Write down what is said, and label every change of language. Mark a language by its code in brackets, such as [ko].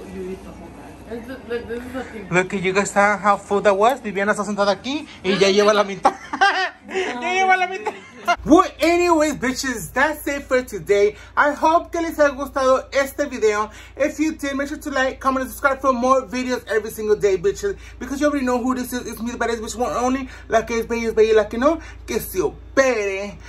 [en] you say that you eat the whole bag. Look, you guys saw how full that was. [es] Viviana está sentada aquí y ya lleva la mitad. Ya lleva la mitad. [en] Well, anyways, bitches, that's it for today. I hope [es] que les haya gustado este video. [en] If you did, make sure to like, comment, and subscribe for more videos every single day, bitches. Because you already know who this is. It's me, the baddest bitch, one only. [es] La que es bella, la que no, que se opere.